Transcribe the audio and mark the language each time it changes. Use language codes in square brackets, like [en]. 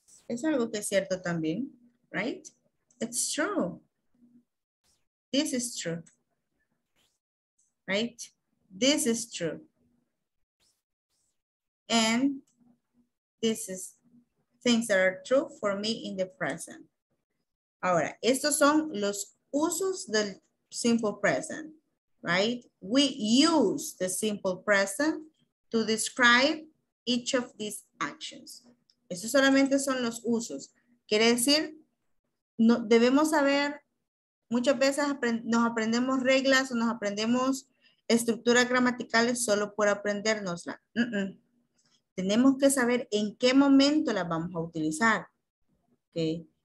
[en] Es algo que es cierto también, right? It's true. This is true. Right? This is true. And this is things that are true for me in the present. [es] Ahora, estos son los usos del simple present, right? [en] We use the simple present to describe each of these actions. [es] Esos solamente son los usos. Quiere decir, no, debemos saber, muchas veces nos aprendemos reglas o nos aprendemos estructuras gramaticales solo por aprendérnosla. Tenemos que saber en qué momento las vamos a utilizar. ¿Okay?